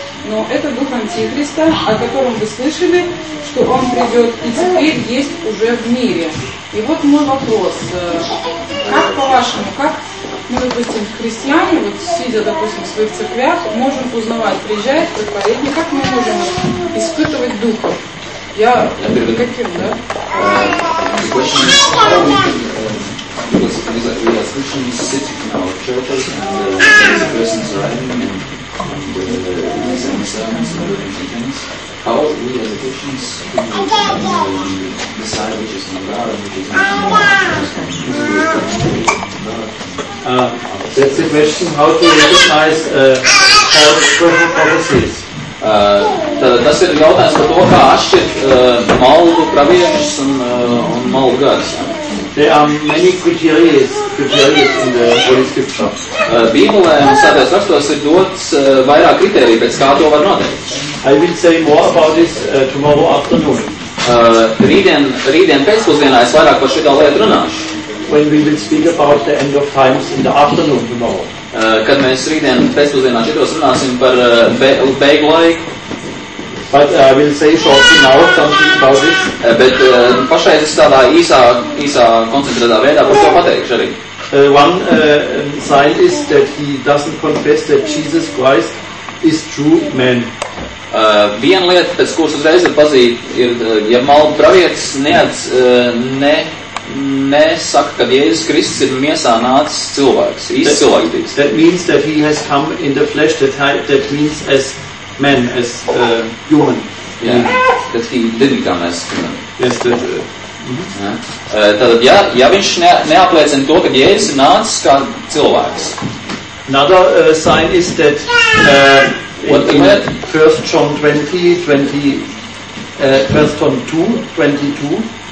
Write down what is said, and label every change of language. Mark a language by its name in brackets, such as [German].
[Russian] Но это дух Антихриста, о котором вы слышали, что он придет и теперь есть уже в мире. И вот мой вопрос. Как по-вашему, как мы, допустим, христиане, вот сидя, допустим, в своих церквях, можем узнавать, приезжает проповедник, как мы можем испытывать духа? [English] That's the question, how to recognize prophecy prophecies. [Latvian] Tas ir jautājums par to, kā atšķirt maldu praviešus un maldu garus. [English] There are many criteria in the Holy Scripture. [Latvian] Bībulē un Svētajos rakstos ir dots vairāk kritēriju, pēc kā to var noteikt. [English] I will say more about this tomorrow afternoon. [Latvian] Rītdien pēcpusdienā es vairāk par šitā lietu runāšu. [English] When we will speak about the end of times in the afternoon tomorrow. [Latvian] Kad mēs rītdien pēcpusdienā šitos runāsim par beigu laiku. [English] But I will say shortly now something about this. [Latvian] Bet pašreiz es tādā īsā koncentrētā veidā par to pateikšu arī. [English] One scientist that he doesn't confess that Jesus Christ is true man. [Latvian] Viena lieta, pēc kuras uzreiz ir pazīt, ir, ja maldu pravietis nesaka, ka Jēzus Kristus ir miesā nācis cilvēks, īsts cilvēks. [English] That means that he has come in the flesh, that means as man, as human. Yeah, that he didn't come as human. Yes, that's it. [Latvian] Tātad, ja viņš neapliecina to, ka Jēzus ir nācis kā cilvēks. [English] Another sign is that in 1 John 20, 1 John 2, 22,